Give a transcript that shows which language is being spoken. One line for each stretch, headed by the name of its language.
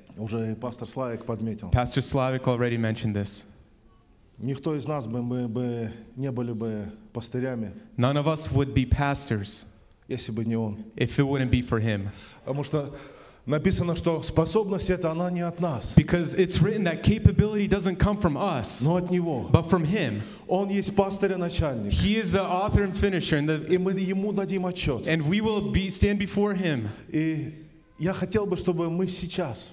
Russian: Уже и пастор Славик подметил.
English: Pastor Slavik already mentioned this.
Russian: Никто из нас мы бы не были бы пастырями.
English: None of us would be pastors.
Russian: Если бы не он.
English: If it wouldn't be for him.
Russian: Потому что написано, что способность эта, она не от нас.
English: Because it's written that capability doesn't come from us.
Russian: Но от него.
English: But from him.
Russian: Он есть пастырь и начальник.
English: He is the author and finisher.
Russian: И мы ему дадим отчет.
English: And we will stand before him.
Russian: И я хотел бы, чтобы мы сейчас.